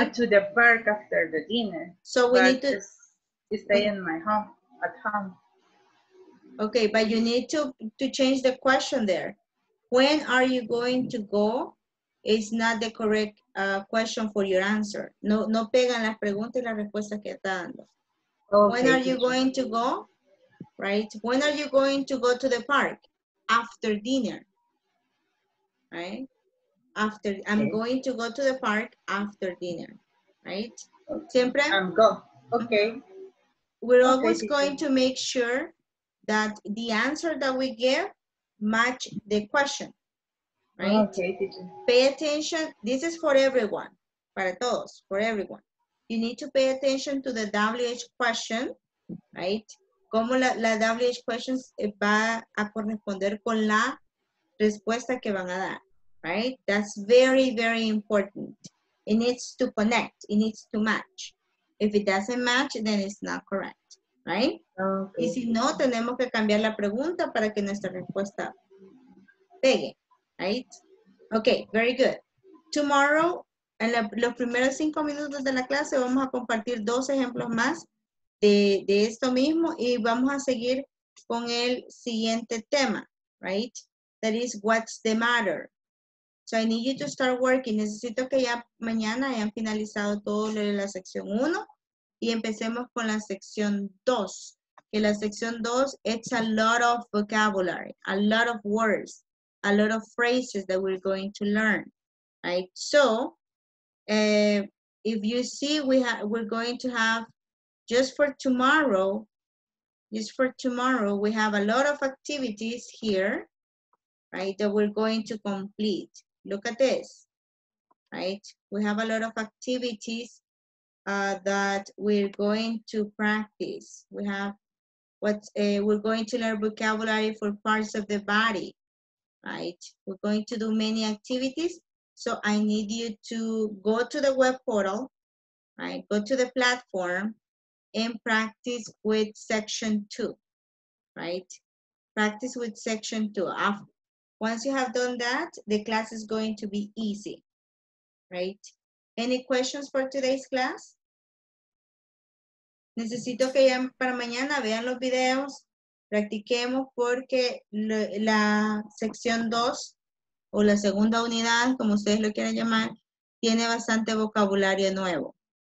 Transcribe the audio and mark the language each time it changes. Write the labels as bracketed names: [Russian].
[English] To the park after the dinner. So we need to stay in my home, at home. Okay, but you need to change the question there. When are you going to go? It's not the correct question for your answer. [Spanish] No pegan las preguntas y las respuestas que está dando. [English] Okay, when are you going to go? Right? When are you going to go to the park? After dinner. Right? After, okay. I'm going to go to the park after dinner. Right? Okay. Siempre? I'm go. Okay. We're okay, always going to make sure that the answer that we give match the question. Right? Okay, pay attention. This is for everyone. [Spanish] Para todos. [English] For everyone. You need to pay attention to the WH question, right? [Spanish] Como la WH question va a corresponder con la respuesta que van a dar, right? [English] That's very, very important. It needs to connect. It needs to match. If it doesn't match, then it's not correct, right? Okay. [Spanish] Y si no, tenemos que cambiar la pregunta para que nuestra respuesta pegue, right? [English] Okay, very good. [Spanish] Tomorrow, en los primeros 5 minutos de la clase vamos a compartir 2 ejemplos más de esto mismo y vamos a seguir con el siguiente tema, right? [English] That is, what's the matter? So I need you to start working. [Spanish] Necesito que ya mañana hayan finalizado todo lo de la sección 1 y empecemos con la sección 2. Que la sección 2, [English] it's a lot of vocabulary, a lot of words, a lot of phrases that we're going to learn, right? So, if you see, we're going to have, just for tomorrow, we have a lot of activities here, right, that we're going to complete. Look at this, right? We have a lot of activities that we're going to practice. We have we're going to learn vocabulary for parts of the body, right? We're going to do many activities. So I need you to go to the web portal, right? Go to the platform and practice with section 2, right? Practice with section 2. Once you have done that, the class is going to be easy, right? Any questions for today's class? [Spanish] Necesito que ya para mañana vean los videos, practiquemos porque la sección 2 o la segunda unidad, como ustedes lo quieran llamar, tiene bastante vocabulario nuevo.